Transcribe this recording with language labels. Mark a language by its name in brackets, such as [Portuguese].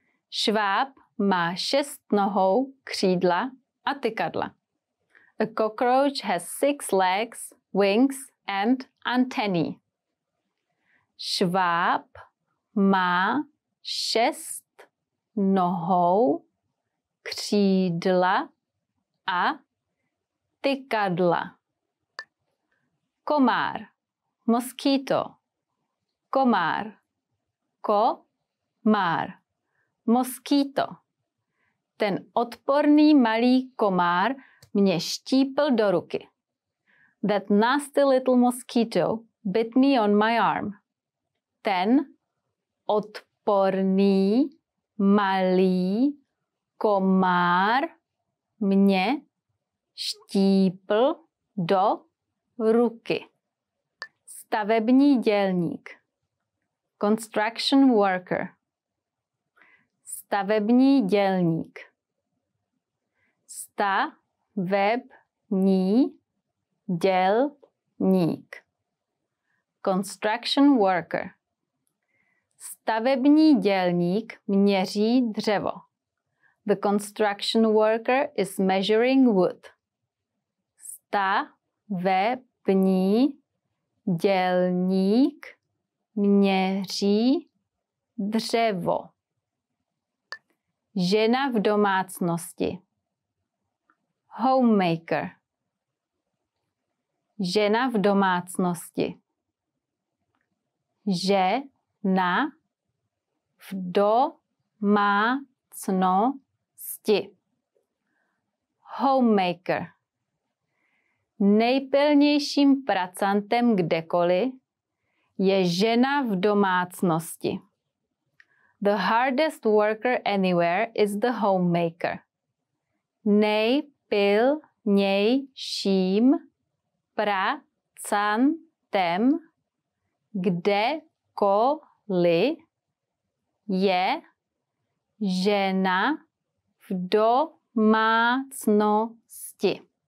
[Czech] Šváb má šest nohou, křídla a tykadla. [English] A cockroach has six legs, wings and antennae. [Czech] Šváb má šest nohou, křídla a tykadla. Komár. [English] Mosquito. [Czech] Komár. Komár. [English] Mosquito. [Czech] Ten odporný malý komár mě štípl do ruky. [English] That nasty little mosquito bit me on my arm. [Czech] Ten odporný malý komár mě štípl do ruky. Stavební dělník. [English] Construction worker. [Czech] Stavební dělník. Stavební dělník. [English] Construction worker. [Czech] Stavební dělník měří dřevo. [English] The construction worker is measuring wood. [Czech] Stavební dělník měří dřevo. Žena v domácnosti. [English] Homemaker. [Czech] Žena v domácnosti. Žena v domácnosti. [English] Homemaker. [Czech] Nejpilnějším pracantem kdekoliv je žena v domácnosti. [English] The hardest worker anywhere is the homemaker. [Czech] Nejpilnějším pracantem kdekoliv je žena v domácnosti.